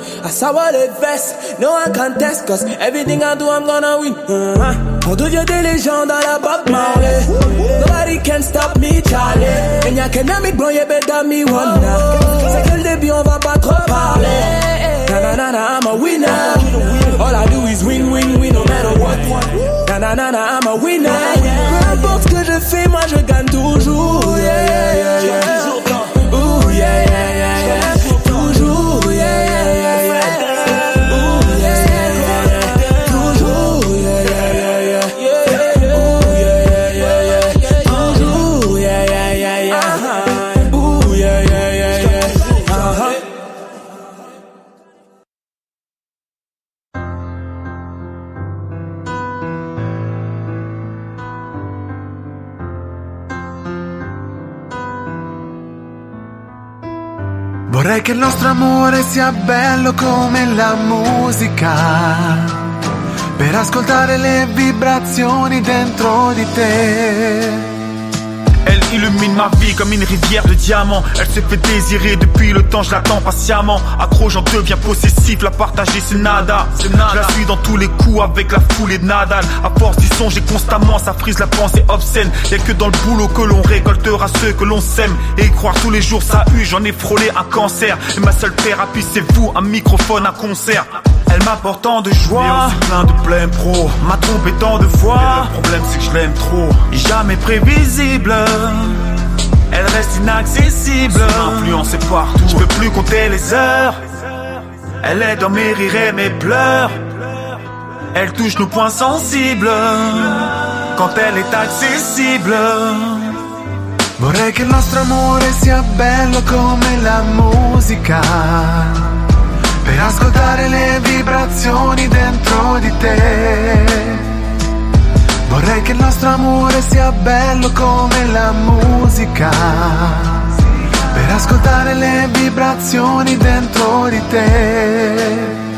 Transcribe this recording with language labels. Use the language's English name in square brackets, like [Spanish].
[English] I saw all the vests. No, I can't test. Cause everything I do, I'm gonna win. [French] On devient des légendes à la Bob Marley. [English] Nobody can stop me, Charlie. [French] Et n'y a qu'un ami blanc, y'a [English] better me wanna. [French] C'est que le début, on va pas trop parler. [English] Na na na na, I'm a winner. All I do is win, win, win, no matter what. Na na na na, I'm a winner. [French] Peu importe ce que je fais, moi je gagne toujours. Ooh yeah yeah yeah yeah. Ooh yeah yeah yeah yeah. Toujours yeah yeah yeah yeah. Ooh yeah yeah yeah yeah. Toujours yeah yeah yeah yeah. Ooh yeah yeah yeah yeah. Toujours yeah yeah yeah yeah. Ooh yeah yeah yeah yeah. [Italian] Vorrei che il nostro amore sia bello come la musica, per ascoltare le vibrazioni dentro di te. [French] Elle illumine ma vie comme une rivière de diamants. Elle se fait désirer depuis le temps, je l'attends patiemment. Accro, j'en deviens possessif, la partager c'est nada. C'est nada. Je la suis dans tous les coups avec la foulée de Nadal. À force d'y songer constamment, ça frise la pensée obscène. Y'a que dans le boulot que l'on récoltera ceux que l'on sème. Et y croire tous les jours ça a eu, j'en ai frôlé un cancer. Et ma seule thérapie c'est vous, un microphone, un concert. Elle m'apporte tant de joie, mais aussi plein de blèmes pro. M'a trompé tant de fois, mais le problème c'est que je l'aime trop. Jamais prévisible, elle reste inaccessible. Son influence est partout, je peux plus compter les heures. Elle est dans mes rires et mes pleurs. Elle touche nos points sensibles quand elle est accessible. [Italian] Vorrei che il nostro amore sia bello come la musica, per ascoltare le vibrazioni dentro di te. Vorrei che il nostro amore sia bello come la musica, per ascoltare le vibrazioni dentro di te.